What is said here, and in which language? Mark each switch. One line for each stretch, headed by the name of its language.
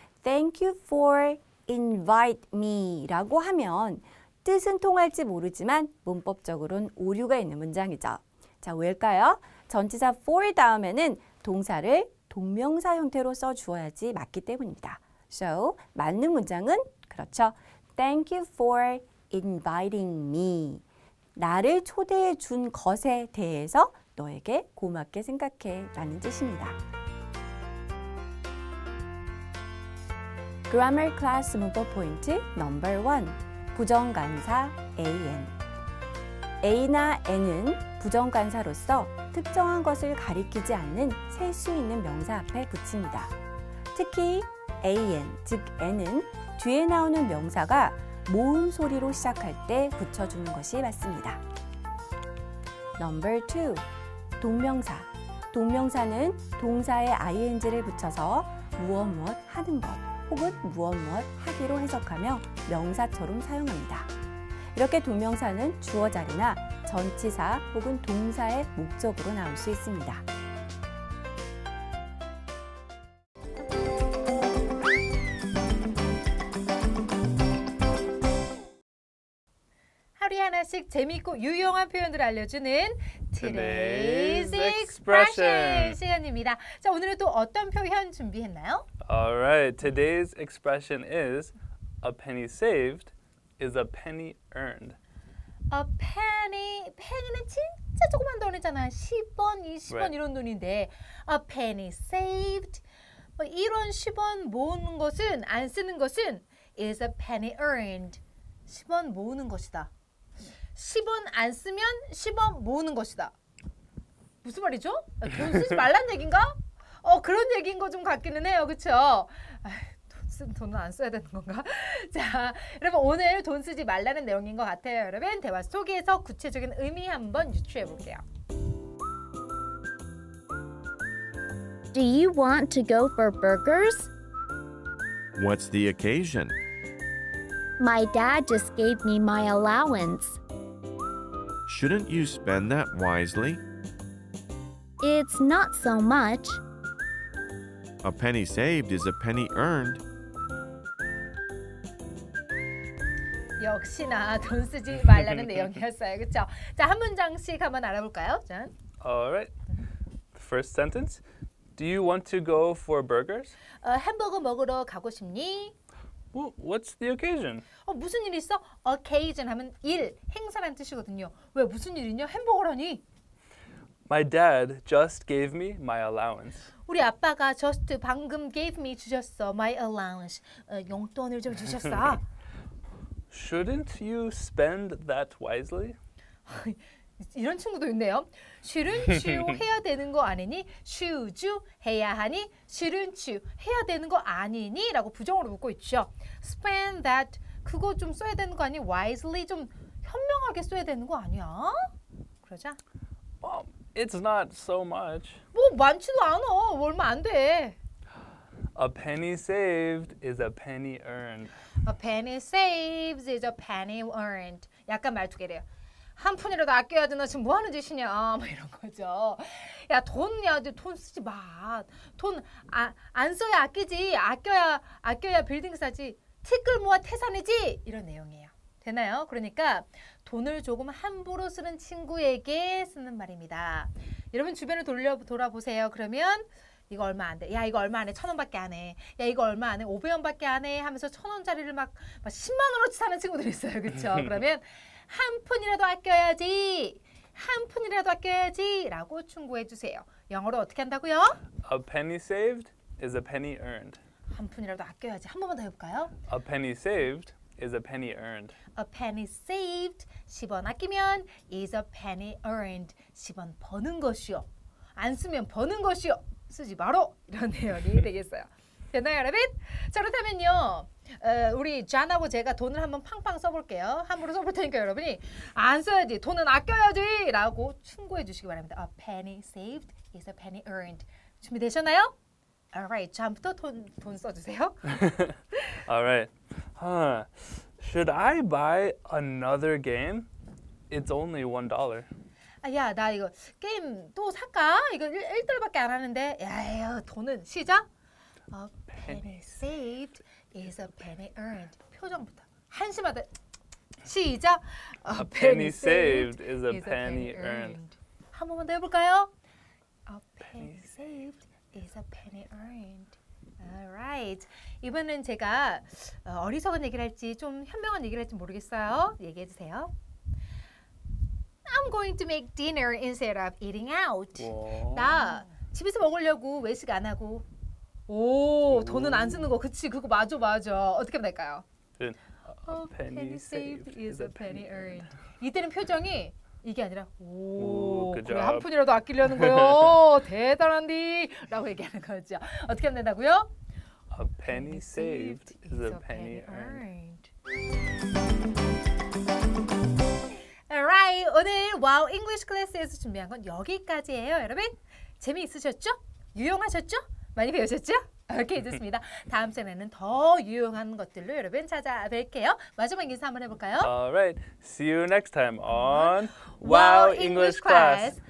English: Thank you for invite me
Korean: 라고 하면 뜻은 통할지 모르지만 문법적으로는 오류가 있는 문장이죠. 자, 왜일까요? 전치사 for 다음에는 동사를 동명사 형태로 써주어야지 맞기 때문입니다. So, 맞는 문장은 그렇죠.
English: Thank you for inviting me.
Korean: 나를 초대해 준 것에 대해서 너에게 고맙게 생각해 라는 뜻입니다.
English: Grammar class
Korean: 문법 포인트
English: number 1.
Korean: 부정관사 an. a나 n은 부정관사로서 특정한 것을 가리키지 않는 셀 수 있는 명사 앞에 붙입니다. 특히 an, 즉 n은 뒤에 나오는 명사가 모음 소리로 시작할 때 붙여주는 것이 맞습니다.
English: Number 2. 동명사.
Korean: 동명사는 동사에 ing를 붙여서 무엇무엇 하는 것 혹은 무엇무엇 하기로 해석하며 명사처럼 사용합니다. 이렇게 동명사는 주어 자리나 전치사 혹은 동사의 목적으로 나올 수 있습니다. classic 재미있고 유용한 표현들을 알려주는
English: Today's Expression
Korean: 시간입니다. 자, 오늘은 또 어떤 표현 준비했나요?
English: All right. Today's expression is a penny saved is a penny earned. A penny.
Korean: 펜이는 진짜 조그만 돈이잖아. 10원, 20원 right. 이런 돈인데
English: a penny saved
Korean: 뭐 1원, 10원 모으는 것은 안 쓰는 것은
English: is a penny earned.
Korean: 10원 모으는 것이다. 10원 안 쓰면 10원 모으는 것이다. 무슨 말이죠? 돈 쓰지 말란 얘긴가? 그런 얘기인 거 좀 같기는 해요. 그렇죠? 돈 쓴 돈은 안 써야 되는 건가? 자, 여러분 오늘 돈 쓰지 말라는 내용인 것 같아요. 여러분 대화 속에서 구체적인 의미 한번 유추해 볼게요.
English: Do you want to go for burgers? What's the occasion? My dad just gave me my allowance. Shouldn't you spend that wisely? It's not so much. A penny saved is a penny earned.
Korean: 역시나 돈 쓰지 말라는 내용이었어요. 그렇죠? 자, 한 문장씩 한번 알아볼까요? 짠.
English: All right. First sentence. Do you want to go for burgers?
Korean: 햄버거 먹으러 가고 싶니?
English: What's the occasion?
Korean: 무슨 일 있어? Occasion 하면 일, 행사란 뜻이거든요. 왜 무슨 일이냐? 햄버거라니.
English: My dad just gave me my allowance.
Korean: 우리 아빠가
English: just
Korean: 방금
English: gave me
Korean: 주셨어.
English: My allowance.
Korean: 용돈을 좀 주셨어.
English: Shouldn't you spend that wisely?
Korean: 이런 친구도 있네요.
English: Shouldn't you
Korean: 해야 되는 거 아니니?
English: Should you
Korean: 해야 하니?
English: Shouldn't you
Korean: 해야 되는 거 아니니? 라고 부정으로 묻고 있죠.
English: Spend that
Korean: 그거 좀 써야 되는 거 아니?
English: Wisely
Korean: 좀 현명하게 써야 되는 거 아니야? 그러자.
English: Well, it's not so much.
Korean: 뭐 많지도 않아. 얼마 안 돼.
English: A penny saved is a penny earned. A penny saved is a penny earned.
Korean: 약간 말투게래요. 한 푼이라도 아껴야 되나 지금 뭐 하는 짓이냐 뭐 이런 거죠. 야 돈이야, 돈 쓰지 마. 돈 안 써야 아끼지. 아껴야 빌딩 사지. 티끌 모아 태산이지. 이런 내용이에요. 되나요? 그러니까 돈을 조금 함부로 쓰는 친구에게 쓰는 말입니다. 여러분 주변을 돌아보세요. 그러면 이거 얼마 안 돼. 야 이거 얼마 안 해. 천 원밖에 안 해. 야 이거 얼마 안 해. 500원밖에 안 해. 하면서 천 원짜리를 막 10만 원어치 사는 친구들 있어요. 그렇죠? 그러면 한 푼이라도 아껴야지. 한 푼이라도 아껴야지. 라고 충고해 주세요. 영어로 어떻게 한다고요?
English: A penny saved is a penny earned.
Korean: 한 푼이라도 아껴야지. 한 번만 더 해볼까요?
English: A penny saved is a penny earned. A penny saved.
Korean: 10원 아끼면
English: is a penny earned.
Korean: 10원 버는 것이요. 안 쓰면 버는 것이요. 쓰지 마로. 이런 내용이 되겠어요. 됐나요, 여러분? 자, 그렇다면요. 우리 잔하고 제가 돈을 한번 팡팡 써볼게요. 함부로 써볼 테니까 여러분이 안 써야지, 돈은 아껴야지 라고 충고해 주시기 바랍니다.
English: A penny saved is a penny earned.
Korean: 준비되셨나요? Alright, 잠부터 돈 써주세요.
English: Alright. Huh. Should I buy another game? It's only $1.
Korean: 야, 나 이거 게임 또 살까? 이거 1달러밖에 안 하는데. 야, 돈은 시작.
English: A penny saved is a penny earned.
Korean: 표정부터 한심하다. 시작.
English: A penny saved is a penny earned.
Korean: 한 번만 더 해볼까요?
English: A penny saved is a penny earned. Alright.
Korean: 이번엔 제가 어리석은 얘기를 할지 좀 현명한 얘기를 할지 모르겠어요. 얘기해 주세요.
English: I'm going to make dinner instead of eating out.
Korean: 나 집에서 먹으려고 외식 안 하고. 오, 돈은 안 쓰는 거, 그치? 그거 맞아, 맞아. 어떻게 하면 될까요?
English: A penny saved is a penny earned.
Korean: 이때는 표정이 이게 아니라 오, 그래 한 푼이라도 아끼려는 거요. 대단한디 라고 얘기하는 거죠. 어떻게 하면 된다고요?
English: A penny saved is a penny earned.
Korean: Alright, 오늘 와우 English Class에서 준비한 건 여기까지예요, 여러분. 재미있으셨죠? 유용하셨죠? 많이 배우셨죠? 오케이, 좋습니다. 다음 시간에는 더 유용한 것들로 여러분 찾아뵐게요. 마지막 인사 한번 해볼까요?
English: Alright, see you next time on Wow English Class.